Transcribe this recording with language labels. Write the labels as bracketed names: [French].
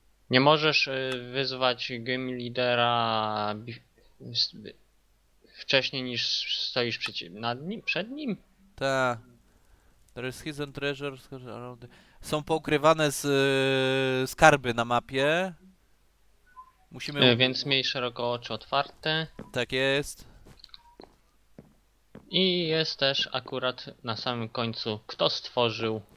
[Polish] Nie możesz wyzwać game leadera wcześniej niż stoisz nad nim, przed nim? Tak. [English] There is hidden treasures around. [Polish] Są poukrywane z skarby na mapie. Musimy. Więc miej szeroko oczy otwarte. Tak jest. I jest też akurat na samym końcu, kto stworzył